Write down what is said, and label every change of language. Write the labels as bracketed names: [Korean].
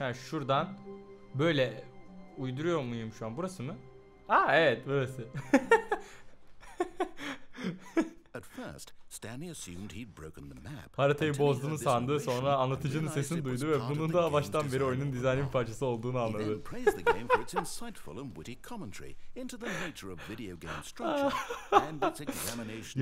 [Turkish] Ha yani şuradan böyle uyduruyor muyum şu an? Burası mı? Aa evet, burası. [English] At first, Stanley assumed he'd broken the map. [Turkish] Haritayı bozduğunu sandı, sonra anlatıcının sesini duydu ve bunun da baştan beri oyunun dizaynının parçası olduğunu anladı. [English] He praised the game for its insightful and witty commentary into the nature of video game structure and its examination.